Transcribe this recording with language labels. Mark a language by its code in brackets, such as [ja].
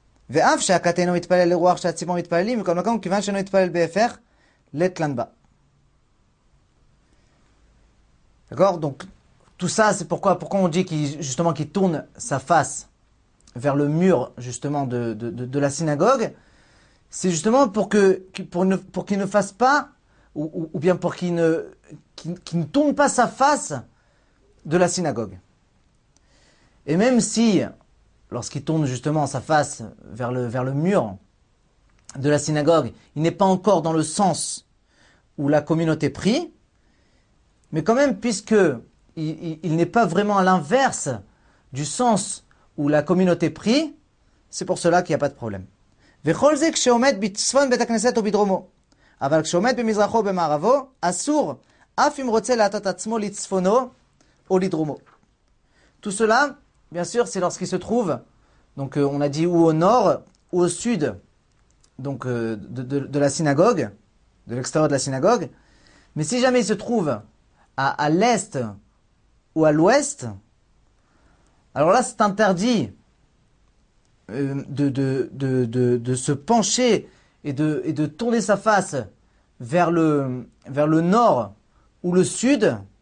[he] ואף שהקט אינו מתפלל לרוח שהציבור מתפללים, מכל מקום, כיוון שאינו מתפלל בהפך, לתלנבא. [fr] D'accord? Donc, tout ça, c'est pourquoi on dit qu'il tourne sa face vers le mur, justement, de la synagogue. C'est justement pour qu'il ne fasse pas, ou bien pour qu'il ne tourne pas sa face de la synagogue. Et même si, lorsqu'il tourne justement sa face vers le mur de la synagogue, il n'est pas encore dans le sens où la communauté prie. Mais quand même, puisque il n'est pas vraiment à l'inverse du sens où la communauté prie, c'est pour cela qu'il n'y a pas de problème. [he] וכל זה כשעומד בצפון בית הכנסת או בדרומו. אבל כשעומד במזרחו או במערבו, אסור אף אם רוצה להטות עצמו לצפונו או לדרומו. [fr] Tout cela, bien sûr, c'est lorsqu'il se trouve, donc on a dit ou au nord, ou au sud, donc de la synagogue, de l'extérieur de la synagogue. Mais si jamais il se trouve à l'est ou à l'ouest, alors là, c'est interdit de se pencher et de tourner sa face vers le nord ou le sud.